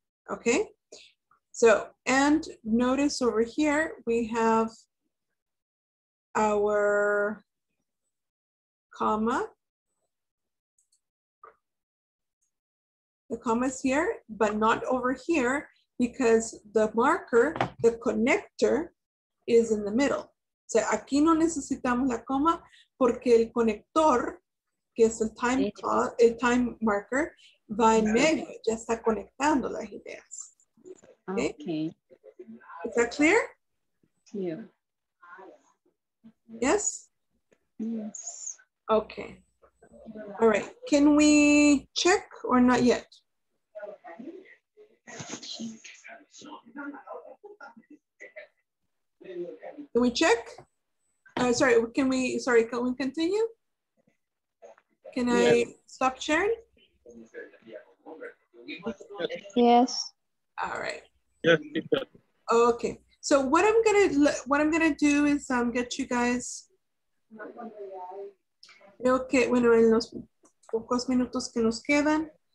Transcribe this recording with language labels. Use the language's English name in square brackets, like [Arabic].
[English] Okay, so, and notice over here, we have our comma. The comma is here, but not over here, because the marker, the connector, is in the middle. [Spanish] O sea, aquí no necesitamos la coma porque el conector, que es el time, el time marker, va en medio, ya está conectando las ideas. [English] Okay. Is that clear? Yeah. Yes? Yes. Okay. All right. Can we check or not yet? Can we check? Sorry, can we, sorry, can we continue? Can yes. I stop sharing? Yes. All right. Yes. Okay. So what I'm gonna do is get you guys. [Spanish] Okay, bueno, en los pocos minutos que nos quedan.